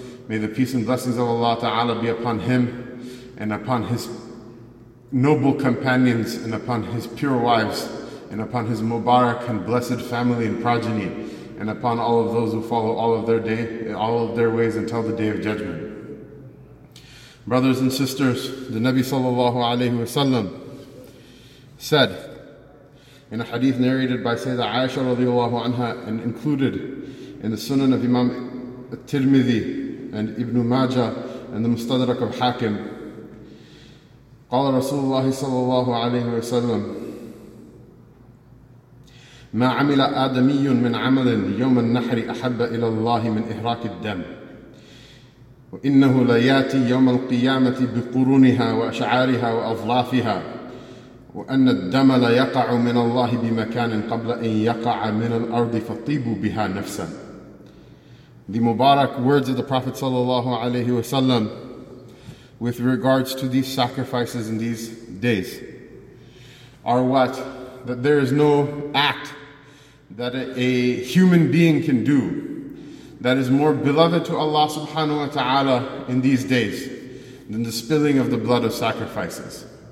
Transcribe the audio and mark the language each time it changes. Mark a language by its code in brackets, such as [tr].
[en] May the peace and blessings of Allah Ta'ala be upon him and upon his noble companions and upon his pure wives and upon his Mubarak and blessed family and progeny and upon all of those who follow all of their ways until the Day of Judgment. Brothers and sisters, the Nabi Sallallahu Alaihi Wasallam said in a hadith narrated by Sayyidah Aisha radiallahu anha and included in the Sunan of Imam At-Tirmidhi and Ibn Majah and the Mustadrak of Hakim, [ar] قال رسول الله صلى الله عليه وسلم ما عمل آدمي من عمل يوم النحر أحب إلى الله من إهراك الدم وإنه لياتي يوم القيامة بقرونها وأشعارها وأظلافها وأن الدم لا يقع من الله بمكان قبل أن يقع من الأرض فطيبوا بها نفسا. [en] The Mubarak words of the Prophet sallallahu alaihi wasallam with regards to these sacrifices in these days are what? That there is no act that a human being can do that is more beloved to Allah subhanahu wa ta'ala in these days than the spilling of the blood of sacrifices.